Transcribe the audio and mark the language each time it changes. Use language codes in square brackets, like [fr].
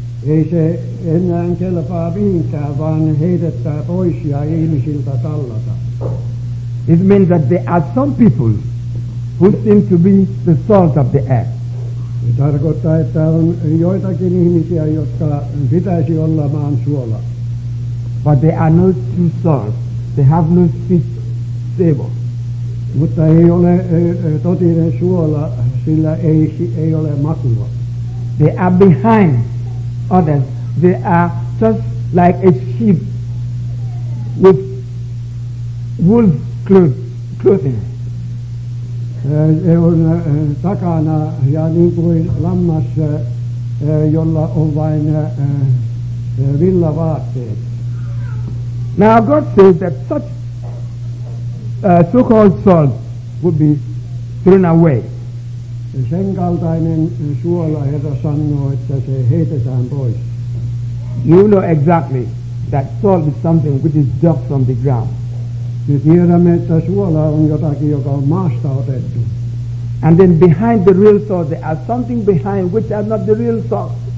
[fi] Ei se enää kelpaa mihinkään, vaan heitettää pois ja ihmisiltä tallata. [en] It means that there are some people who seem to be the salt of the earth. [fi] Se tarkoittaa, että on joitakin ihmisiä, jotka pitäisi olla maan suola. [en] But they are no true salt. They have no sweet savor. [fi] Mutta ei ole totinen suola, sillä ei ole makua. [en] They are behind others. They are just like a sheep with wool clothing. [fi] He on takana ja niin kuin lammas, jolla on vain villavaatteet. [en] Now God says that such so-called salt would be thrown away. [fi] Sen kaltainen suola, Herra sanoo, että se heitetään pois. [en] You know exactly that salt is something which is dug from the ground. [fi] Me tiedämme, että suola on jotakin, joka on maasta otettu. [en] And then behind the real salt, there are something behind which are not the real salt.